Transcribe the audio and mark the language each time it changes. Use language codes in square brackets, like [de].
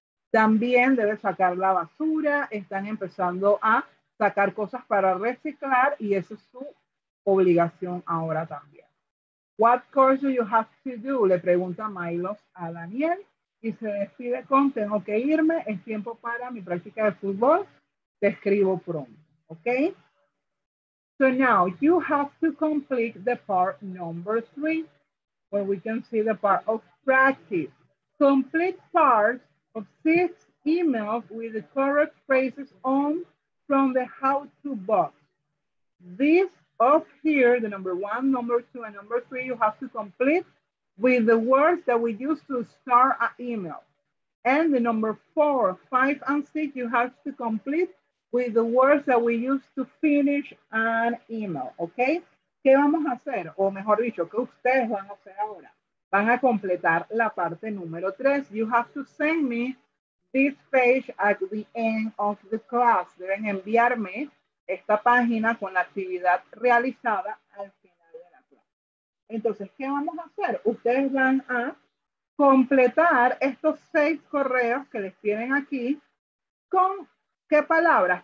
[es] También debe sacar la basura, están empezando a sacar cosas para reciclar y esa es su obligación ahora también. [en] What course do you have to do? [es] Le pregunta Milos a Daniel y se despide con tengo que irme, es tiempo para mi práctica de fútbol. Te escribo pronto, okay? [en] So now you have to complete the part number three, where we can see the part of practice. Complete parts of six emails with the correct phrases on from the how-to box. This up here, the number one, number two, and number three, you have to complete with the words that we use to start an email. And the number four, five, and six, you have to complete with the words that we use to finish an email, okay? [es] ¿Qué vamos a hacer? O mejor dicho, ¿qué ustedes van a hacer ahora? van a completar la parte número 3. [en] You have to send me this page at the end of the class. [es] Deben enviarme esta página con la actividad realizada al final de la clase. Entonces, ¿qué vamos a hacer? Ustedes van a completar estos 6 correos que les tienen aquí con ¿qué palabras?